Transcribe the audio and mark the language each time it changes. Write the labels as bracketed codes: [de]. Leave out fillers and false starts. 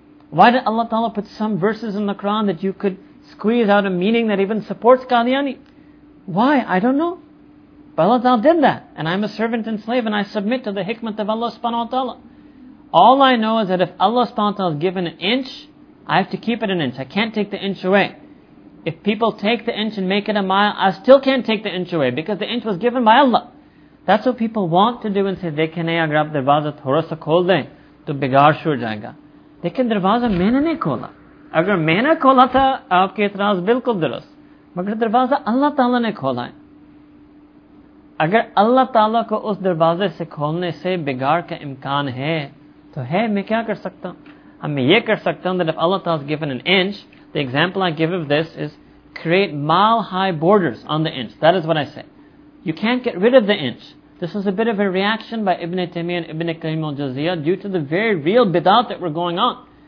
[en] Why did Allah Ta'ala put some verses in the Quran that you could squeeze out a meaning that even supports Qadiani? Why? I don't know. But Allah Ta'ala did that. And I'm a servant and slave and I submit to the hikmat of Allah subhanahu wa ta'ala. All I know is that if Allah subhanahu wa ta'ala has given an inch, I have to keep it an inch. I can't take the inch away. If people take the inch and make it a mile, I still can't take the inch away because the inch was given by Allah. That's what people want to do and say، [ur] دیکھنے اگر آپ دروازہ تھوڑا سا کھول دیں تو بگاڑ شر جائیگا۔ لیکن دروازہ مینے نہیں کھولا۔ اگر میں نے کھولا تھا آپکے اعتراض بالکل درست۔ مگر دروازہ اللہ تعالیٰ نے کھولا ہے۔ اگر اللہ تعالیٰ کو اس دروازے سے کھولنے سے بگاڑ کا امکان ہے تو ہے میں کیا کر سکتا ہوں؟ Main ye kar sakta hoon [en] that if Allah Taala has given an inch, the example I give of this is create mile-high borders on the inch. That is what I say. You can't get rid of the inch. This is a bit of a reaction by Ibn Taymiyyah and Ibn Qayyim al-Jawziyyah due to the very real bid'at that were going on.